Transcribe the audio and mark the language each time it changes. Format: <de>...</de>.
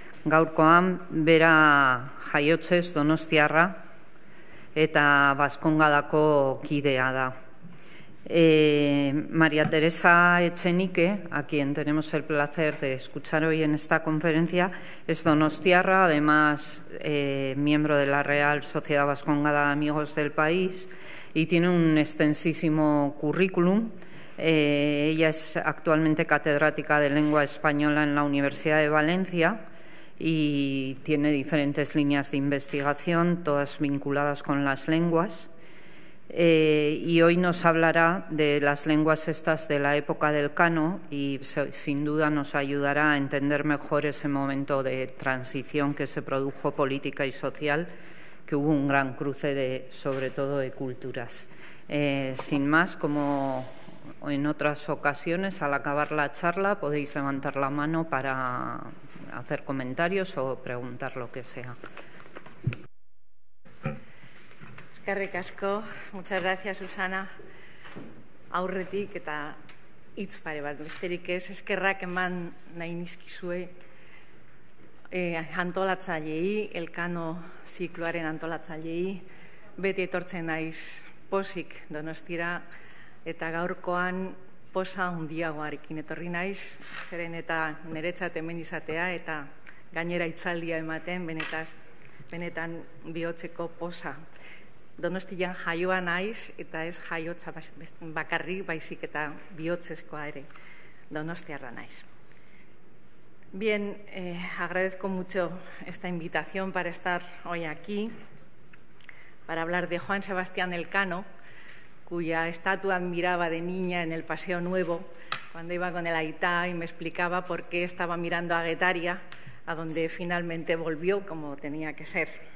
<eu>Gaurkoan bera jaiotzez donostiarra eta Baskongadako kidea da.</eu> <es>María Teresa Etxenike, a quien tenemos el placer de escuchar hoy en esta conferencia, es donostiarra, además miembro de la Real Sociedad Baskongada de Amigos del País y tiene un extensísimo currículum. Ella es actualmente catedrática de lengua española en la Universidad de Valencia y tiene diferentes líneas de investigación, todas vinculadas con las lenguas. Y hoy nos hablará de las lenguas estas de la época del Kano y sin duda nos ayudará a entender mejor ese momento de transición que se produjo política y social, que hubo un gran cruce de, sobre todo de culturas. Sin más, como en otras ocasiones, al acabar la charla podéis levantar la mano para hacer comentarios o preguntar lo que sea.</es> <eu>Eskerrik asko,</eu> <es>muchas gracias Susana,</es> <eu>aurretik eta hitz pare bat besterik ez, eskerrak eman nahi nizkizue antolatzailei, Elkano zikloaren antolatzailei, beti etortzen naiz pozik Donostira eta gaurkoan posa handiagoarekin etorri naiz, zeren eta niretzat hemen izatea eta gainera itzaldia ematen benetan bihotzeko posa. Donostian jaioa naiz eta ez jaiotza bakarrik baizik eta bihotzezkoa ere donostiarra naiz.</eu> <es>Bien, agradezco mucho esta invitación para estar hoy aquí para hablar de Juan Sebastián Elcano, cuya estatua admiraba de niña en el Paseo Nuevo cuando iba con el Aitá y me explicaba por qué estaba mirando a Guetaria, a donde finalmente volvió como tenía que ser.</es>